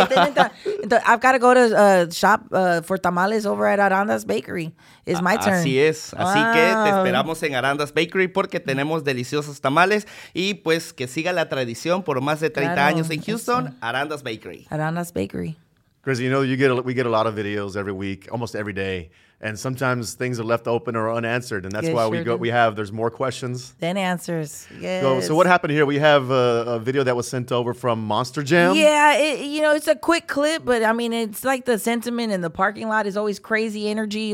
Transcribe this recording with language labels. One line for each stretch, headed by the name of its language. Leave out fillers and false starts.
English: Entonces, I've got to go to a shop for tamales over at Arandas Bakery. It's my turn.
Spanish: Así es. Así que te esperamos en Arandas Bakery porque tenemos deliciosos tamales. Y pues que siga la tradición por más de 30 años en Houston, Arandas Bakery. Arandas Bakery.
English: Chris, you know, we get a lot of videos every week, almost every day. And sometimes things are left open or unanswered, and that's why there's more questions than answers. Yes. So what happened here? We have a video that was sent over from Monster Jam. Yeah, it's a quick clip, but I mean, it's like the sentiment in the parking lot is always crazy energy.